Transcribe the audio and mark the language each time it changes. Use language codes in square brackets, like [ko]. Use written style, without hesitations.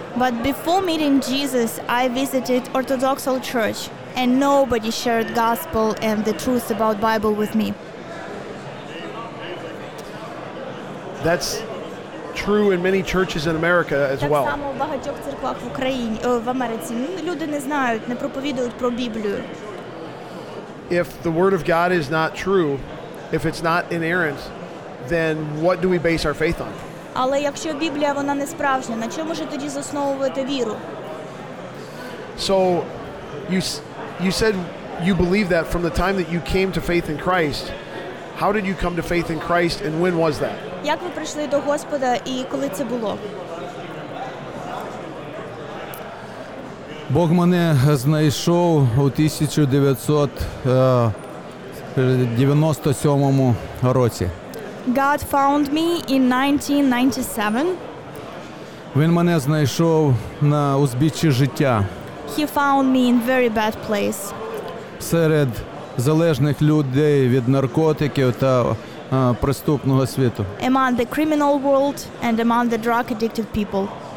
[en] But before meeting Jesus, I visited Orthodox church and nobody shared gospel and the truth about Bible with me. That's true in many churches in America as well. [uk] Так само в багатьох церквах в Україні, в Америці. Люди не знають, не проповідують про Біблію. [en] If the word of God is not true, if it's not inerrant, then what do we base our faith on? [uk] Але якщо Біблія вона не справжня, на чому ж тоді засновувати віру? [en] So you said you believe that from the time that you came to faith in Christ. How did you come to faith in Christ and when was that? [uk] Як ви прийшли до Господа і коли це було? Бог мене знайшов у 1997 році. [en] God found me in 1997. [uk] Він мене знайшов на узбіччі життя. [en] He found me in very bad place. [uk] Серед залежних людей від наркотиків та преступного світу. [en] Among the criminal world and among the drug addicted people.